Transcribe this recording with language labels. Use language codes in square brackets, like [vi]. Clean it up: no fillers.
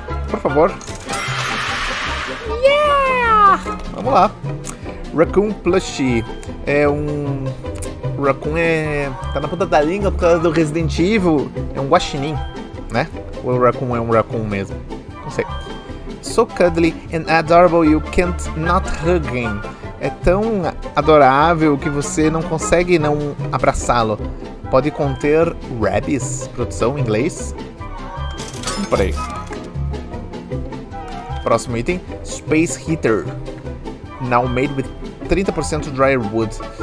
[pt] Por favor. Yeah! Vamos lá. Raccoon Plushie. É um... O Raccoon é... Tá na ponta da língua por causa do Resident Evil. É um guaxinim. Né? Ou o Raccoon é um Raccoon mesmo? Não sei. [en] So cuddly and adorable you can't not hug him. [pt] É tão adorável que você não consegue não abraçá-lo. Pode conter rabies, produção em inglês. Por aí. Próximo item. [en] Space heater. Now made with 30% dry wood.